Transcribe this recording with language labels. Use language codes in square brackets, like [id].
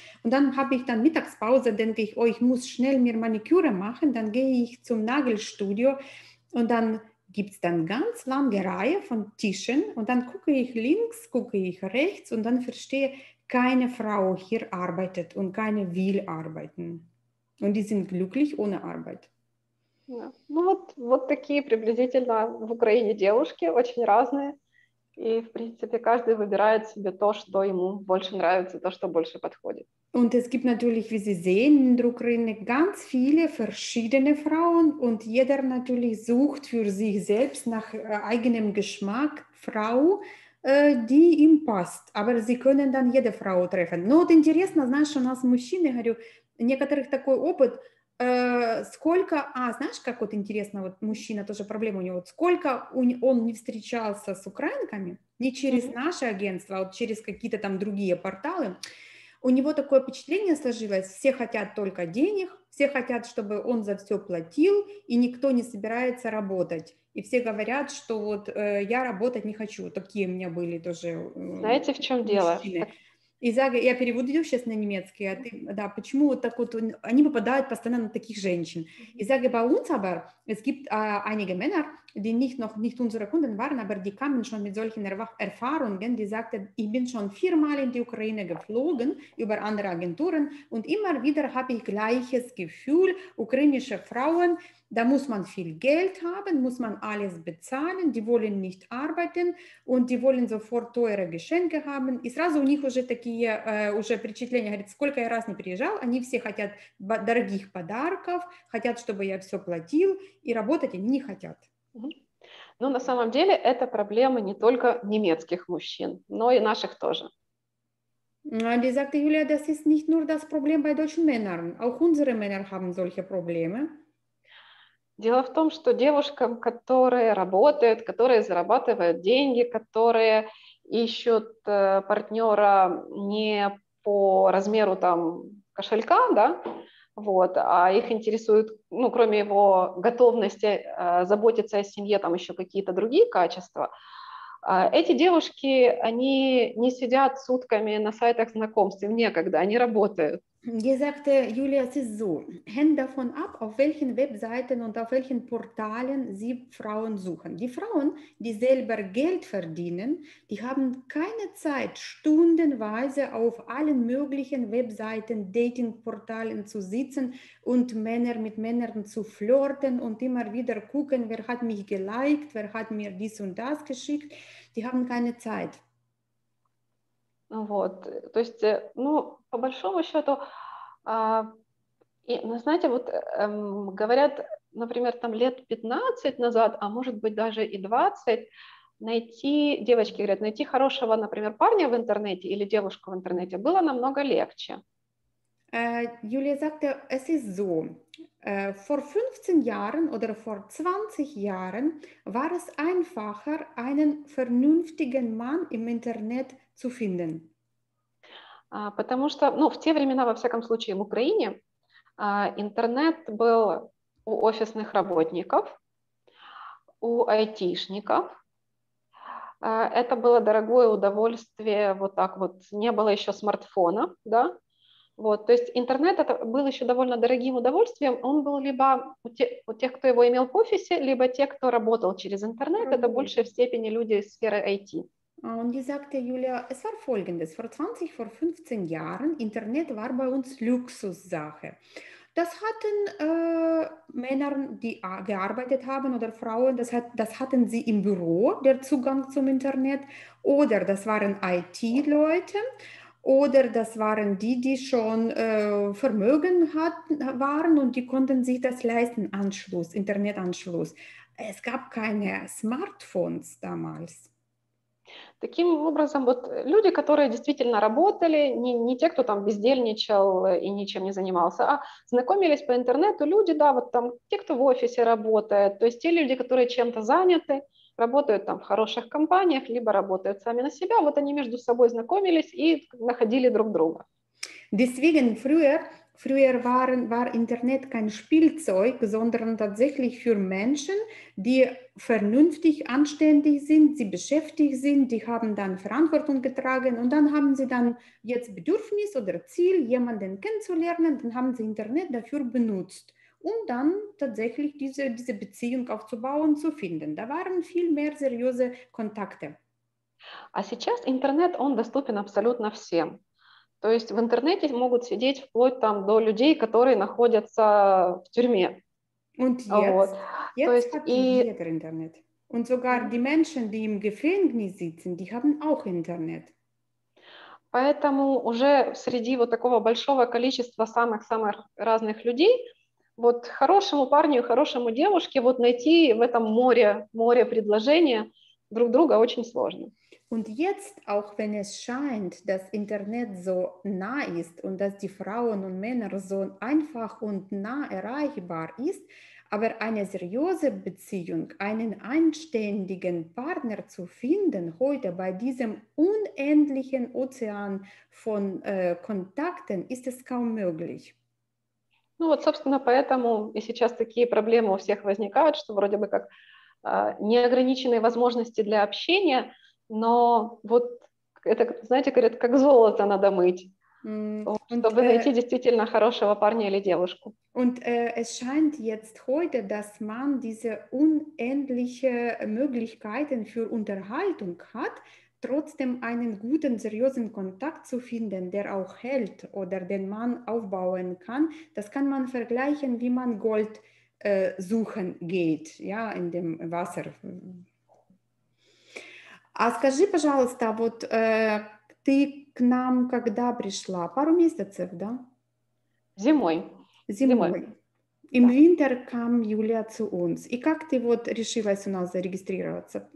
[de] Und dann habe ich dann Mittagspause, denke ich, oh, ich muss schnell mir Maniküre machen, dann gehe ich zum Nagelstudio und dann gibt es dann ganz lange Reihe von Tischen und dann gucke ich links, gucke ich rechts und dann verstehe, keine Frau hier arbeitet und keine will arbeiten. Und die sind glücklich ohne Arbeit. Ja. [ru] Ну, вот такие приблизительно в Украине девушки, очень разные. И, в принципе, каждый выбирает себе то, что ему больше нравится, то, что больше подходит. [de] Und es gibt natürlich, wie Sie sehen, in der Ukraine ganz viele verschiedene Frauen und jeder natürlich sucht für sich selbst nach eigenem Geschmack Frau, die ihm passt. Aber sie können dann jede Frau treffen. [ru] Но вот интересно, знаешь, у нас мужчины, говорю, некоторых такой опыт, сколько, знаешь, как вот интересно, вот мужчина, тоже проблема у него, вот сколько он не встречался с украинками, не через наше агентство, а вот через какие-то там другие порталы, у него такое впечатление сложилось, все хотят только денег, все хотят, чтобы он за все платил, и никто не собирается работать. И все говорят, что вот я работать не хочу. Такие у меня были тоже знаете, в чем мужчины. Дело? Изага, я переводю сейчас на немецкий, а ты, да, почему вот так вот, они попадают постоянно на таких женщин. [de] Изага, bei uns aber, es gibt einige Männer, die nicht unsere Kunden waren, aber die kamen schon mit solchen Erfahrungen, die sagten, ich bin schon 4-mal in die Ukraine geflogen, über andere Agenturen, und immer wieder habe ich gleiches Gefühl, ukrainische Frauen, da muss man viel Geld haben, muss man alles bezahlen, die wollen nicht arbeiten und die wollen sofort teure Geschenke haben. [ru] И сразу у них уже такие уже впечатления, говорит, сколько я раз не приезжал, они все хотят дорогих подарков, хотят, чтобы я все платил, и работать они не хотят. Ну, на самом деле, это проблема не только немецких мужчин, но и наших тоже. [de] Die sagte Julia, das ist nicht nur das Problem bei deutschen Männern, auch unsere Männer haben solche Probleme. [ru] Дело в том, что девушкам, которые работают, которые зарабатывают деньги, которые ищут партнера не по размеру там кошелька, да, вот, а их интересует, ну, кроме его готовности заботиться о семье, там еще какие-то другие качества, Эти девушки, они не сидят сутками на сайтах знакомств, им некогда, они работают. [de] Wie sagte Julia, es ist so, hängt davon ab, auf welchen Webseiten und auf welchen Portalen sie Frauen suchen. Die Frauen, die selber Geld verdienen, die haben keine Zeit, stundenweise auf allen möglichen Webseiten, Datingportalen zu sitzen und Männer mit Männern zu flirten und immer wieder gucken, wer hat mich geliked, wer hat mir dies und das geschickt. Die haben keine Zeit. [ru] Вот, то есть, ну, по большому счету, знаете, вот говорят, например, там лет 15 назад, а может быть даже и 20, найти, девочки говорят, найти хорошего, например, парня в интернете или девушку в интернете было намного легче. [de] Julia sagte, es ist so, vor 15 Jahren oder vor 20 Jahren war es einfacher, einen vernünftigen Mann im Internet zu finden. [ru] Потому что, ну, в те времена, во всяком случае, в Украине, интернет был у офисных работников, у айтишников. Это было дорогое удовольствие, вот так вот, не было еще смартфона, да. Вот, то есть интернет это был еще довольно дорогим удовольствием, он был либо у тех, кто его имел в офисе, либо те, кто работал через интернет, это больше в степени люди из сферы IT. [de] Und die sagte Julia, es war folgendes, vor 20, vor 15 Jahren, Internet war bei uns Luxussache. Das hatten Männer, die gearbeitet haben oder Frauen, das hatten sie im Büro, der Zugang zum Internet, oder das waren IT-Leute, oder das waren die, die schon Vermögen hatten, waren und die konnten sich das leisten, Anschluss, Internetanschluss. Es gab keine Smartphones damals. [ru] Таким образом, вот люди, которые действительно работали, не те, кто там бездельничал и ничем не занимался, а знакомились по интернету, люди, да, вот там те, кто в офисе работает, то есть те люди, которые чем-то заняты, работают там в хороших компаниях, либо работают сами на себя, вот они между собой знакомились и находили друг друга. [de] Deswegen früher war Internet kein Spielzeug, sondern tatsächlich für Menschen, die vernünftig, anständig sind, sie beschäftigt sind, die haben dann Verantwortung getragen und dann haben sie dann jetzt Bedürfnis oder Ziel, jemanden kennenzulernen, dann haben sie Internet dafür benutzt, um dann tatsächlich diese Beziehung aufzubauen, zu finden. Da waren viel mehr seriöse Kontakte. [ru] А сейчас Интернет, он доступен абсолютно всем. То есть в интернете могут сидеть вплоть там до людей, которые находятся в тюрьме. [de] Und jetzt hat jeder Internet. Und sogar die Menschen, die im Gefängnis sitzen, die haben auch Internet. [ru] Поэтому уже среди вот такого большого количества самых-самых разных людей, вот хорошему парню, хорошему девушке вот найти в этом море предложения друг друга очень сложно. [de] Und jetzt, auch wenn es scheint, dass Internet so nah ist und dass die Frauen und Männer so einfach und nah erreichbar ist, aber eine seriöse Beziehung, einen anständigen Partner zu finden, heute bei diesem unendlichen Ozean von Kontakten, ist es kaum möglich. [ru] Ну вот, собственно, поэтому и сейчас такие проблемы у всех возникают, что вроде бы как неограниченные возможности для общения. Но вот это, знаете, говорят, как золото надо мыть, чтобы найти действительно хорошего парня или девушку. [de] Und es scheint jetzt heute, dass man diese unendliche Möglichkeiten für Unterhaltung hat, trotzdem einen guten, seriösen Kontakt zu finden, der auch hält oder den man aufbauen kann. Das kann man vergleichen, wie man Gold suchen geht, ja, in dem Wasser. [ru] А скажи, пожалуйста, вот ты к нам когда пришла? Пару месяцев, да? Зимой. [de] Im Winter kam Julia zu uns. [ru] И как ты вот решилась у нас зарегистрироваться?